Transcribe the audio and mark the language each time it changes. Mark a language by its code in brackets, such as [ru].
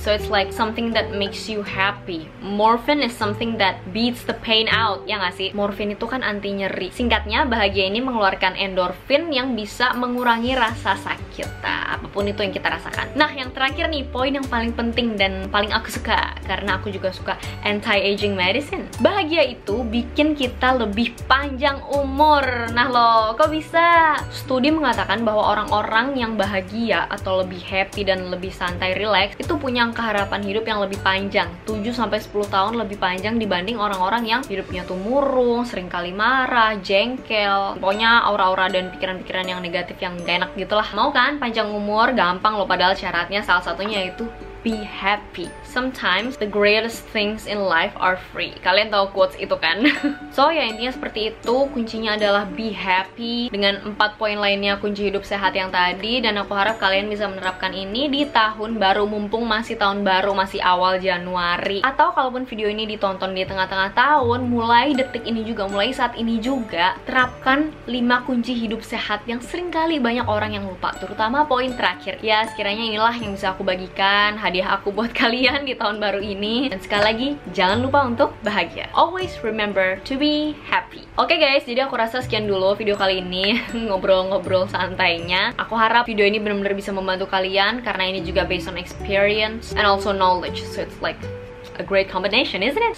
[en] So it's like something that makes you happy. Morphin is something that beats the pain out, [id] ya nggak sih? Morphin itu kan anti nyeri. Singkatnya, bahagia ini mengeluarkan endorfin yang bisa mengurangi rasa sakit. Nah, apapun itu yang kita rasakan. Nah, yang terakhir nih, poin yang paling penting dan paling aku suka, karena aku juga suka anti-aging medicine. Bahagia itu bikin kita lebih panjang umur. Nah lo, kok bisa? Studi mengatakan bahwa orang-orang yang bahagia atau lebih happy dan lebih santai, relax, itu punya angka harapan hidup yang lebih panjang, 7-10 tahun lebih panjang dibanding orang-orang yang hidupnya tuh murung, sering kali marah, jengkel, pokoknya aura-aura dan pikiran-pikiran yang negatif yang gak enak gitulah. Mau kan panjang umur? Gampang lo, padahal syaratnya salah satunya yaitu [en] be happy. Sometimes the greatest things in life are free. [id] Kalian tahu quotes itu kan? So ya, intinya seperti itu. Kuncinya adalah [en] be happy. [id] Dengan 4 poin lainnya, kunci hidup sehat yang tadi. Dan aku harap kalian bisa menerapkan ini di tahun baru, mumpung masih tahun baru, masih awal Januari. Atau kalaupun video ini ditonton di tengah-tengah tahun, mulai detik ini juga, mulai saat ini juga, terapkan 5 kunci hidup sehat yang sering kali banyak orang yang lupa, terutama poin terakhir. Ya, sekiranya inilah yang bisa aku bagikan, hadiah aku buat kalian di tahun baru ini. Dan sekali lagi, jangan lupa untuk bahagia. [en] Always remember to be happy. [id] Oke guys, jadi aku rasa sekian dulu video kali ini, ngobrol-ngobrol santainya. Aku harap video ini benar-benar bisa membantu kalian, karena ini juga [en] based on experience and also knowledge. So it's like a great combination, isn't it?